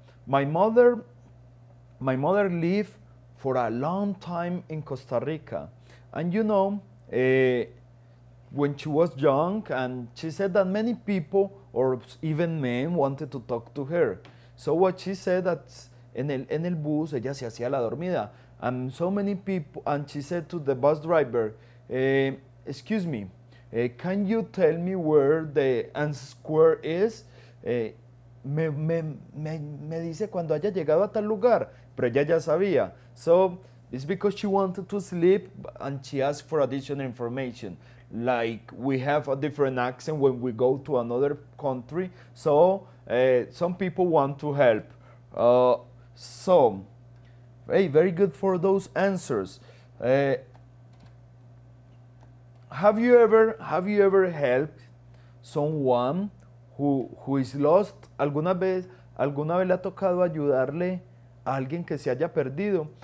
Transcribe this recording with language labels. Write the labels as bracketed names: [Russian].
[English] My mother lived for a long time in Costa Rica, and you know, when she was young, and she said that many people or even men wanted to talk to her. So what she said that [Spanish] en el bus ella se hacía la dormida, [English] and so many people, and she said to the bus driver, excuse me, can you tell me where the answer square is? [Spanish] me dice cuando haya llegado a tal lugar, pero ella ya sabía. [English] So, it's because she wanted to sleep and she asked for additional information. Like, we have a different accent when we go to another country. So, some people want to help. So, hey, very good for those answers. Have you ever helped someone who is lost? [Spanish] ¿Alguna vez le ha tocado ayudarle a alguien que se haya perdido?